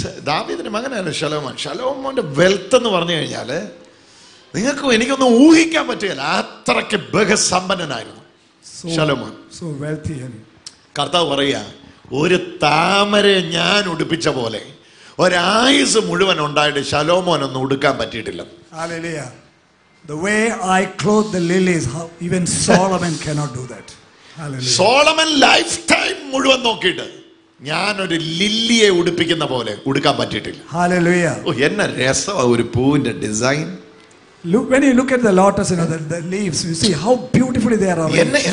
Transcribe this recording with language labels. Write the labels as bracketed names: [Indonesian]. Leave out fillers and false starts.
[Malayalam] ദാവീദിന്റെ മകനാണ് ശലോമോൻ. ശലോമോന്റെ വെൽത്ത് എന്ന് പറഞ്ഞു കഴിഞ്ഞാല് നിങ്ങൾക്കും എനിക്കൊന്നും ഊഹിക്കാൻ പറ്റുകയില്ല, അത്രയ്ക്ക് ബഹുസമ്പന്നനായിരുന്നു ശലോമോൻ. [English] So wealthy. [Malayalam] കർത്താവ് പറയുക, ഒരു താമരയെ ഞാൻ ഉടുപ്പിച്ച പോലെ ഒരായുസ് മുഴുവൻ ഉണ്ടായിട്ട് ശലോമോൻ ഒന്നും ഉടുക്കാൻ പറ്റിയിട്ടില്ല. ഹല്ലേലൂയാ. [English] The way I clothe the lilies, how even Solomon cannot do that. Hallelujah. [Malayalam] Solomon life time മുഴുവൻ നോക്കിയിട്ട് ഞാൻ ഒരു ലില്ലിയെ ഉടുപ്പിക്കുന്ന പോലെ ഉടുക്കാൻ പറ്റിയിട്ടില്ല. ഹല്ലേലൂയാ. ഓ എന്നാ രസമാ ഒരു പൂവിന്റെ design. [English] Look, when you look at the lotus and the leaves, you see how beautifully they are arranged.